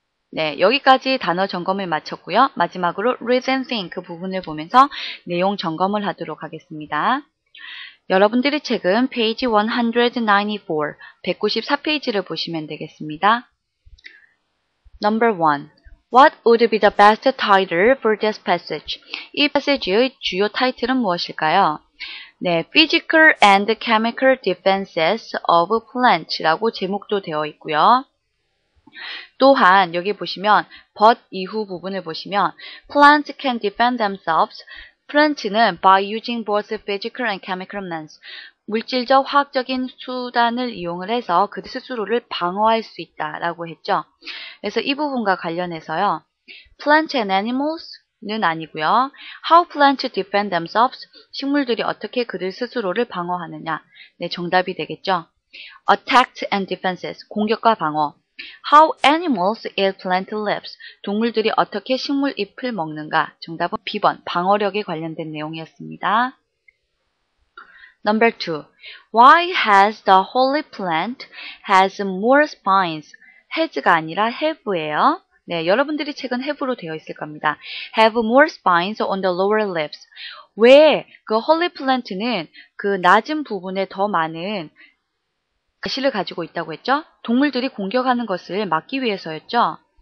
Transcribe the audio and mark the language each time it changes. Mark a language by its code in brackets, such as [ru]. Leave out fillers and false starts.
[ko] 네, 여기까지 단어 점검을 마쳤고요. 마지막으로 reason think 부분을 보면서 내용 점검을 하도록 하겠습니다. 여러분들의 책은 페이지 194, 194페이지를 보시면 되겠습니다. [en] Number 1. What would be the best title for this passage? [ko] 이 passage의 주요 타이틀은 무엇일까요? 네, [en] Physical and Chemical Defenses of Plants [ko] 라고 제목도 되어 있고요. 또한 여기 보시면 but 이후 부분을 보시면 [en] Plants can defend themselves. [ko] Plants는 [en] by using both physical and chemical means, [ko] 물질적 화학적인 수단을 이용을 해서 그 스스로를 방어할 수 있다라고 했죠. 그래서 이 부분과 관련해서요. [en] Plants and animals는 아니고요. How plants defend themselves, [ko] 식물들이 어떻게 그들 스스로를 방어하느냐. 네, 정답이 되겠죠. [en] Attacks and defenses, [ko] 공격과 방어. [en] How animals eat plant leaves? [ko] 동물들이 어떻게 식물 잎을 먹는가? 정답은 B번, 방어력에 관련된 내용이었습니다. [en] Number 2. Why has the holy plant has more spines? [ko] Has가 아니라 have예요. 네, 여러분들이 책은 have로 되어 있을 겁니다. [en] Have more spines on the lower leaves. [ko] 왜 그 holy plant는 그 낮은 부분에 더 많은 가시를 가지고 있다고 했죠? 동물들이 공격하는 것을 막기 위해서였죠?